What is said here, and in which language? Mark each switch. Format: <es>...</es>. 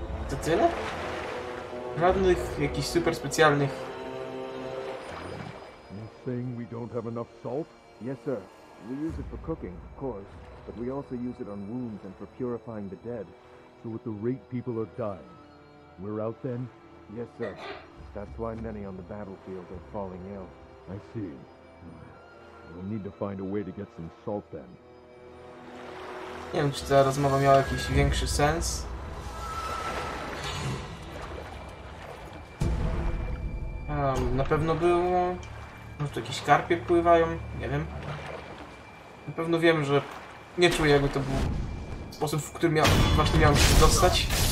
<pl>To tyle? Żadnych jakichś super specjalnych.</pl> <en>You're saying we don't have enough salt? Yes, sir. We use it for cooking, of course, but we also use it on wounds and for purifying the dead. So with the rate people are dying, we're out then? Yes, sir. That's why many on the battlefield are falling ill. I see. We'll need to find a way to get some salt then.</en> <pl>Nie wiem, czy ta rozmowa miała jakiś większy sens. Na pewno było. No to jakieś karpie pływają, nie wiem. Na pewno wiem, że nie czuję, jakby to był sposób, w którym miałem się dostać.</pl>